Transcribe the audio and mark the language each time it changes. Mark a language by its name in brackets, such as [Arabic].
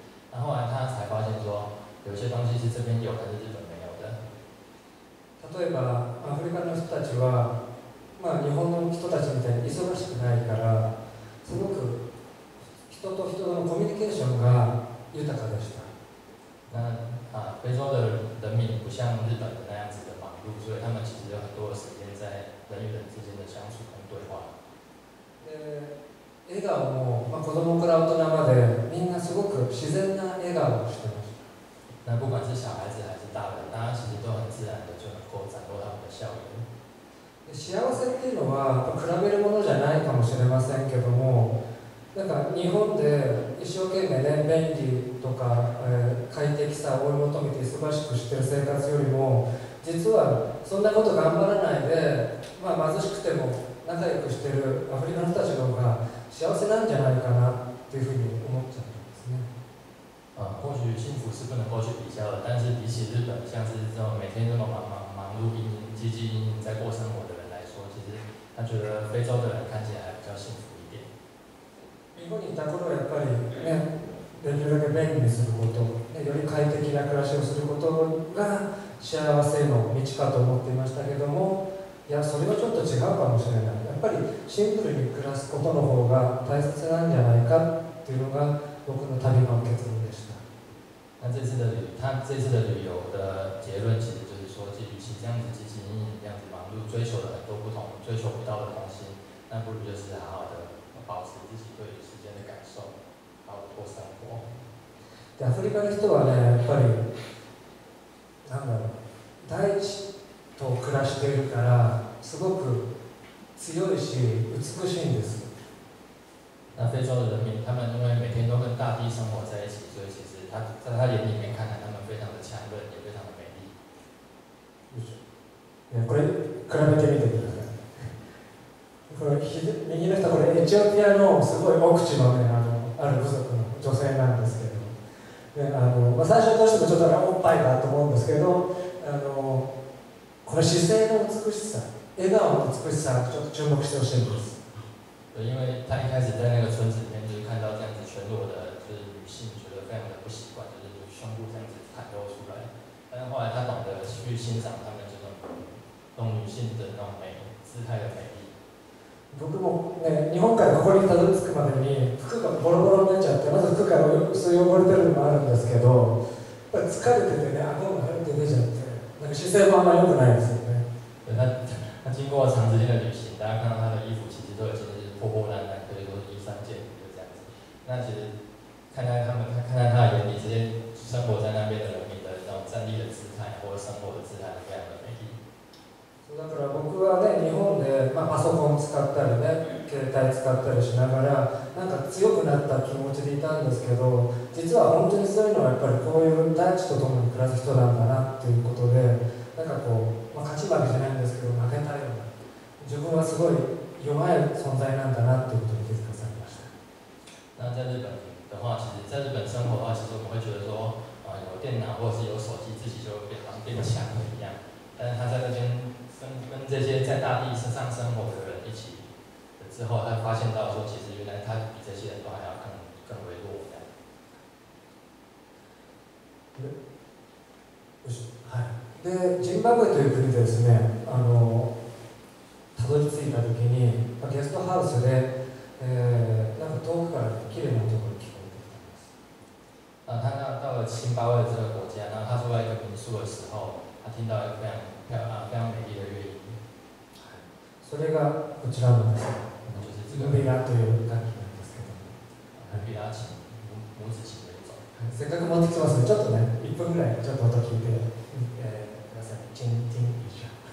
[Chinese] 然后来他才发现说，有些东西是这边有，但是日本没有的。 [Japanese] 例えば、アフリカの人たちは、まあ日本の人たちみたいに忙しくないから、すごく人と人のコミュニケーションが豊かでした。 [Chinese] 那非洲的人民不像日本的那样子的忙忙碌，所以他们其实有很多的时间在人与人之间的相处跟对话。 [Japanese] 笑顔も、まあ、子供から大人までみんなすごく自然な笑顔をしてます。 [Chinese] 那不管是小孩子还是大人，大家其实都很自然的就能够展露他们的笑容。 [Japanese] 幸せっていうのは比べるものじゃないかもしれませんけども、なんか日本で一生懸命ね、便利とか、快適さを追い求めて忙しくしてる生活よりも、実はそんなこと頑張らないで、まあ、貧しくても仲良くしてるアフリカの人たちの方が幸せなんじゃないかなっていうふうに思っちゃったんですね。 [Chinese] 啊，或许幸福是不能够去比较的，但是比起日本，像是这种每天这么忙碌、汲汲营营在过生活的人来说，其实他觉得非洲的人看起来比较幸福。 [Japanese] 日本にいた頃はやっぱりね、できるだけ便利にすること、ね、より快適な暮らしをすることが幸せの道かと思っていましたけども、いや、それはちょっと違うかもしれない。やっぱりシンプルに暮らすことの方が大切なんじゃないかっていうのが僕の旅の結論でした。 [Chinese] 那这次的旅，他这次的旅游的结论其实就是说，与其这样子汲汲营营、这样子忙碌，追求了很多不同、追求不到的东西，那不如就是好好的。保持自己对时间的感受，好好生活。 [Japanese] アフリカの人はね、やっぱり何だろう、大地と暮らしているからすごく強いし美しいんです。 [Chinese] 那非洲的人民，他们因为每天都跟大地生活在一起，所以其实他在他眼里面看来，他们非常的强韧，也非常的美丽。 [Japanese] これ比べてみてください。これ右の人はこれエチオピアのすごい奥地のね、ある部族の女性なんですけど、ね、まあ、最初どうしてもちょっとおっぱいだと思うんですけど、この姿勢の美しさ、笑顔の美しさ、ちょっと注目してほしいんです。 [Chinese] 对，因为他一开始在那个村子里面，就是看到这样子全裸的，就是女性，觉得非常的不习惯，就是胸部这样子袒露出来。但后来他懂得去欣赏他们这种女性的那种美，姿态的美。 [Japanese] 僕もね、日本からここにたどり着くまでに服がボロボロになっちゃって、まず服から薄汚れてるのもあるんですけど、やっぱり疲れててね、顎が腫れて出ちゃって、なんか姿勢もあんまり良くないですよね。 [Chinese] 对，他经过长时间的旅行，大家看到他的衣服其实都已经是破破烂烂，可以说衣衫渐旧这样子。那其实看在他的眼里，这些生活在那边的人民的那种站立的姿态或者生活的姿态，非常的美丽。 [Japanese] だから僕はね、日本で、まあ、パソコン使ったりね、携帯使ったりしながら、なんか強くなった気持ちでいたんですけど、実は本当にそういうのはやっぱりこういう大地と共に暮らす人なんだなっていうことで、なんかこう、まあ、勝ち負けじゃないんですけど、負けたような、自分はすごい弱い存在なんだなっていうことに気づかされました。 [Chinese] 那在日本的话，其实在日本生活的话，其实我们会觉得说，啊，有电脑或者是有手机，自己就会变强一样。但是他在那边。跟这些在大地身上生活的人一起之后，他发现到说，其实原来他比这些人都还要更微弱。对，是，是。 [Japanese] で、ジンバブエという国ですね。たどり着いた時に、ゲストハウスで、なんか遠くから綺麗なところ聞こえてきたんです。 [Chinese] 啊，他那到了津巴布韦这个国家，然后他住在一个民宿的时候，他听到一个非常美丽的乐音， [Japanese] それがこちらのです [Chinese] ね。就是这个 [Japanese] ムビラという楽器なんですけど、 [Chinese] ムビラ琴、拇指琴的一种。 [Japanese] せっかく持ってきますね。ちょっとね、一分ぐらいちょっと音聞いて、ください。チンチン一緒。